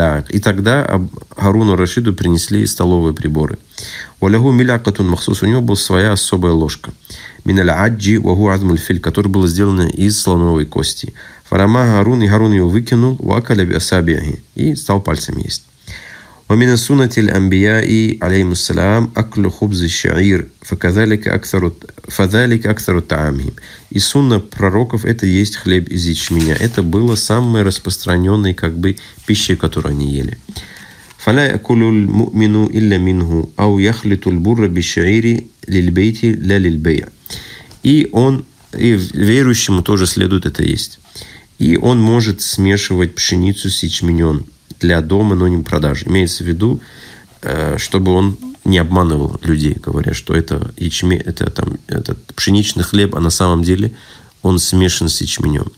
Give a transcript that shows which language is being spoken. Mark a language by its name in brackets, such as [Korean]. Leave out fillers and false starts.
[Russian] И тогда Гарону Рашиду принесли столовые приборы. У него была своя особая ложка, которая была сделана из слоновой кости. И Гарун ее выкинул и стал пальцами есть. [Arabic] ومن السنة الأنبياء عليهم السلام أكل خبز الشعير فذلك أكثر طعامهم. [Russian] И сунна пророков – это есть хлеб из ячменя. Это было самой распространенной как бы пищей, которую они ели. [Arabic] فلا يأكل المؤمن إلا منه أو يخلط البر بالشعير للبيت لا للبيع. [Russian] И он, и верующему тоже следует это есть. И он может смешивать пшеницу с ячменем для дома, но не продаж. Имеется в виду, чтобы он не обманывал людей, говоря, что это ячмень, это там этот пшеничный хлеб, а на самом деле он смешан с ячменем.